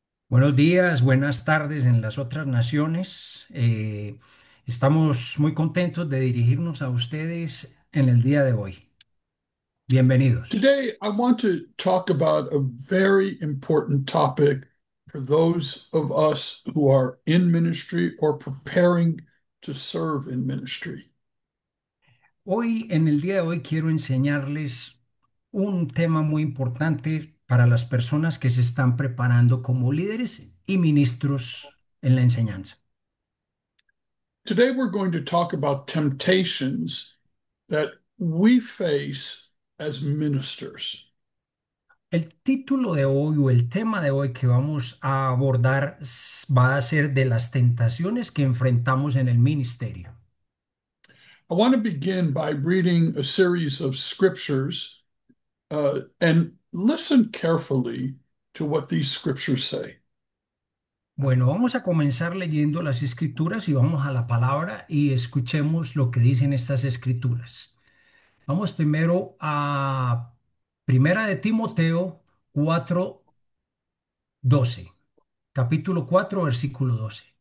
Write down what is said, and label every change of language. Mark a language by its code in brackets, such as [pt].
[es] Buenos días, buenas tardes en las otras naciones. Estamos muy contentos de dirigirnos a ustedes en el día de hoy. Bienvenidos. [en] Today, I want to talk about a very important topic for those of us who are in ministry or preparing to serve in ministry. [es] Hoy, en el día de hoy, quiero enseñarles un tema muy importante para las personas que se están preparando como líderes y ministros en la enseñanza. [en] Today we're going to talk about temptations that we face as ministers. [es] El título de hoy o el tema de hoy que vamos a abordar va a ser de las tentaciones que enfrentamos en el ministerio. [en] I want to begin by reading a series of scriptures, and listen carefully to what these scriptures say. [es] Bueno, vamos a comenzar leyendo las escrituras y vamos a la palabra y escuchemos lo que dicen estas escrituras. Vamos primero a Primera de Timoteo 4, 12, capítulo 4, versículo 12.